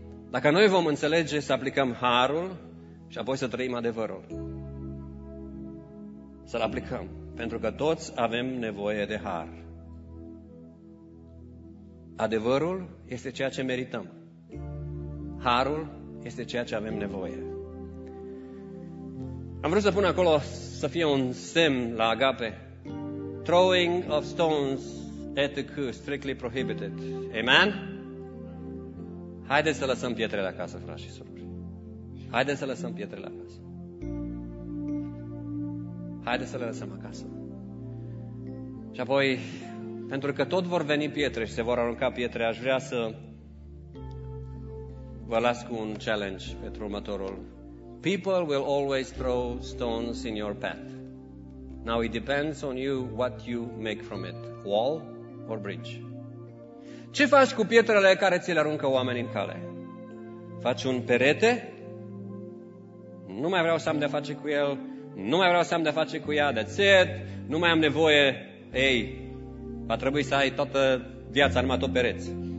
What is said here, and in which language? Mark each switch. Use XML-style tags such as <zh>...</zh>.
<ro>Dacă noi vom înțelege să aplicăm harul și apoi să trăim adevărul, să-l aplicăm, pentru că toți avem nevoie de har. Adevărul este ceea ce merităm. Harul este ceea ce avem nevoie. Am vrut să pun acolo să fie un semn la Agape.</ro> <en>Throwing of stones at the crew, strictly prohibited.</en> <ro>Amen? Haideți să lăsăm pietrele acasă, frați și surori. Haideți să lăsăm pietrele acasă. Haideți să le lăsăm acasă. Și apoi, pentru că tot vor veni pietre și se vor arunca pietre, aș vrea să vă las cu un challenge pentru următorul.</ro> <en>People will always throw stones in your path. Now it depends on you what you make from it. Wall or bridge?</en> <ro>Ce faci cu pietrele care ți le aruncă oamenii în cale? Faci un perete? Nu mai vreau să am de face cu el. Nu mai vreau să am de face cu ea.</ro> <en>That's it.</en> <ro>Nu mai am nevoie. Ei, va trebui să ai toată viața numai tot pereți.</ro>